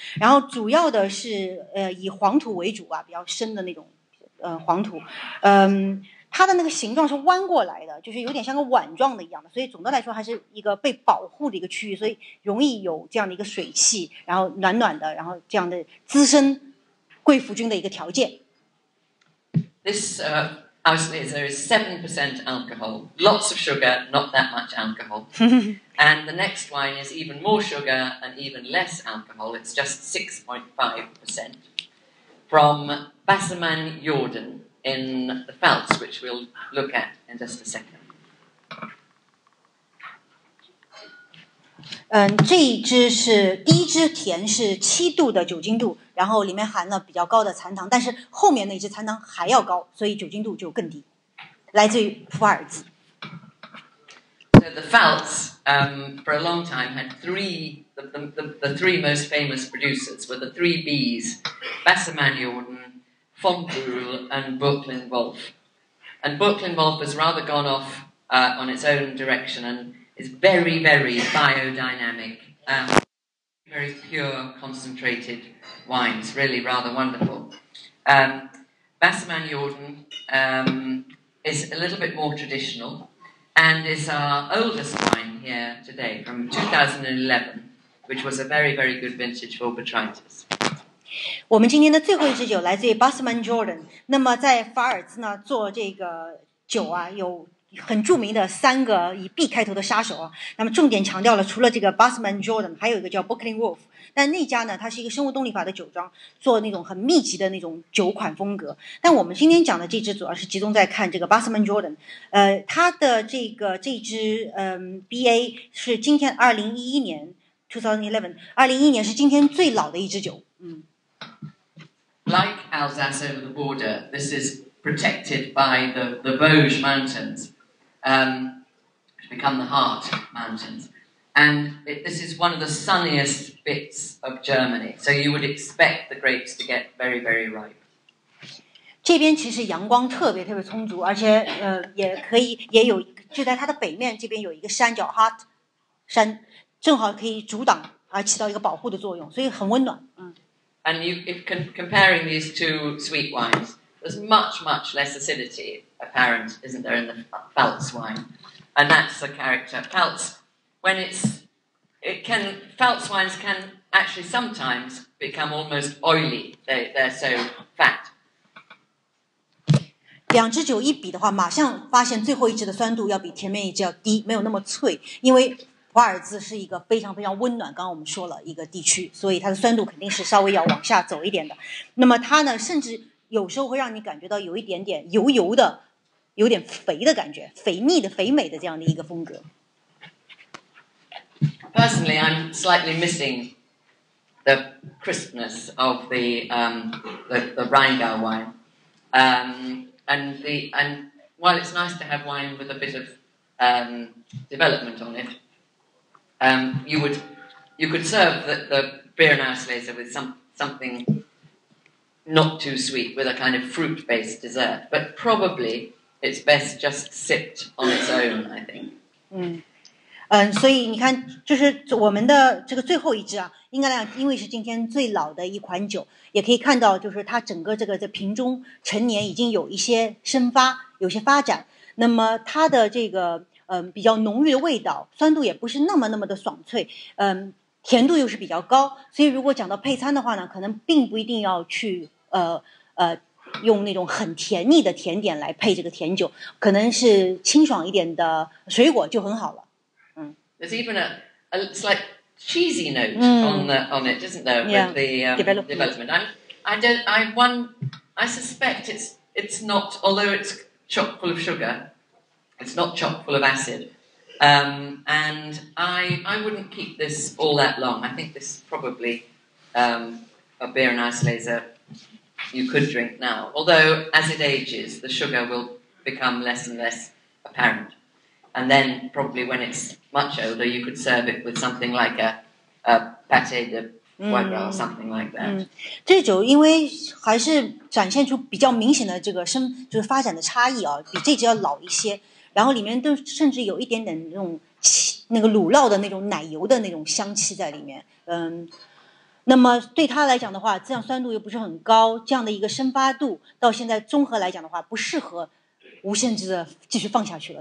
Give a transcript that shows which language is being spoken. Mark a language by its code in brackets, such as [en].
[zh] 然后主要的是以黄土为主啊，比较深的那种黄土。它的那个形状是弯过来的，就是有点像个碗状的一样的，所以总的来说还是一个被保护的一个区域，所以容易有这样的一个水汽，然后暖暖的，然后这样的滋生贵腐菌的一个条件。 [en] This there is 7% alcohol, lots of sugar, not that much alcohol. And the next wine is even more sugar and even less alcohol. It's just 6.5% from Bassermann Jordan in the Pfalz, which we'll look at in just a second. [zh] 这一支是第一支甜是7度的酒精度，然后里面含了比较高的残糖，但是后面那支残糖还要高，所以酒精度就更低，来自于普洱茨。 [en] So the Pfalz, for a long time had the three most famous producers were the three B's, Bassermann Jordan, Fonbrühl and Buchlin-Wolf. And Buchlin-Wolf has rather gone off on its own direction and is very, very biodynamic. Very pure, concentrated wines, really rather wonderful. Bassaman Jordan is a little bit more traditional and is our oldest wine here today from 2011, which was a very, very good vintage for Botrytis. [zh] 我们今天的最后一支酒来自于 Bassaman Jordan。那么在法尔兹呢做这个酒啊有很著名的三个以 B 开头的杀手啊。那么重点强调了除了这个 Bassaman Jordan 还有一个叫 Buckling Wolf， 但那家呢它是一个生物动力法的酒庄，做那种很密集的那种酒款风格。但我们今天讲的这支主要是集中在看这个 Bassaman Jordan， 它的这个这支BA 是今天2011年是今天最老的一支酒。 [en] Like Alsace over the border, this is protected by the Vosges Mountains, which become the Harz Mountains. And this is one of the sunniest bits of Germany, so you would expect the grapes to get very, very ripe. [zh] 这边其实阳光特别特别充足，而且也可以也有就在它的北面这边有一个山叫 Harz 山，正好可以阻挡啊，起到一个保护的作用，所以很温暖。 [en] And you, if comparing these two sweet wines, there's much, much less acidity apparent, isn't there, in the Pfalz wine? And that's the character. Pfalz, when Pfalz wines can actually sometimes become almost oily. They're so fat. [zh] 两支酒一比的话，马上发现最后一支的酸度要比前面一支要低，没有那么脆，因为。华尔兹是一个非常非常温暖，刚刚我们说了一个地区，所以它的酸度肯定是稍微要往下走一点的。那么它呢，甚至有时候会让你感觉到有一点点油油的，有点肥的感觉，肥腻的、肥美的这样的一个风格。 [en] Personally, I'm slightly missing the crispness of the Rheingau wine. And while it's nice to have wine with a bit of development on it. You could serve the beer nauslaser with something not too sweet, with a kind of fruit-based dessert. But probably it's best just sipped on its own, I think. [zh] 所以你看，就是我们的这个最后一支啊，应该来讲，因为是今天最老的一款酒，也可以看到，就是它整个这个在瓶中陈年已经有一些生发，有些发展。那么它的这个。比较浓郁的味道，酸度也不是那么那么的爽脆，甜度又是比较高，所以如果讲到配餐的话呢，可能并不一定要去用那种很甜腻的甜点来配这个甜酒，可能是清爽一点的水果就很好了。 [en] There's even a slight cheesy note on it, isn't there? Yeah, development. I suspect it's not, although it's chock full of sugar. It's not chock full of acid. And I wouldn't keep this all that long. I think this is probably a beer and ice laser you could drink now. Although, as it ages, the sugar will become less and less apparent. And then, probably when it's much older, you could serve it with something like a pâté de foie gras or something like that. [zh] 这酒因为还是展现出比较明显的这个生就是发展的差异啊，比这酒要老一些。然后里面都甚至有一点点那种那个乳酪的那种奶油的那种香气在里面，那么对他来讲的话，这样酸度又不是很高，这样的一个生发度到现在综合来讲的话，不适合无限制的继续放下去了。